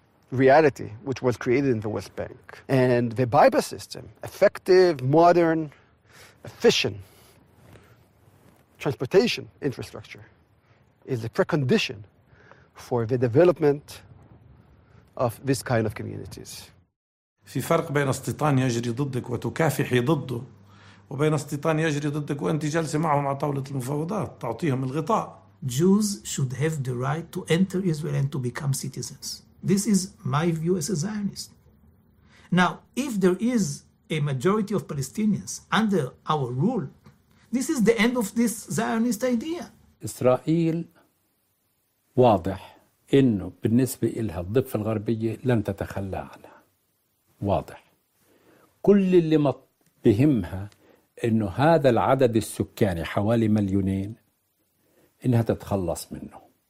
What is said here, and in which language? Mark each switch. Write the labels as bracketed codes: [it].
[en] reality which was created in the West Bank. And the Baiba system, effective, modern, efficient transportation infrastructure, is the precondition for the development of this kind of communities. [ar] في فرق بين استيطان يجري ضدك وتكافحي ضده وبين استيطان يجري ضدك وانت جالسه معهم على طاوله المفاوضات تعطيهم الغطاء. [en] Jews should have the right to enter Israel and to become citizens. This is my view as a Zionist. Now, if there is a majority of Palestinians under our rule, this is the end of this Zionist idea. [ar] Israel واضح انه بالنسبه لها الضفه الغربيه لن تتخلى عنها. واضح. كل اللي بهمها انه هذا العدد السكاني حوالي مليونين انها تتخلص منه.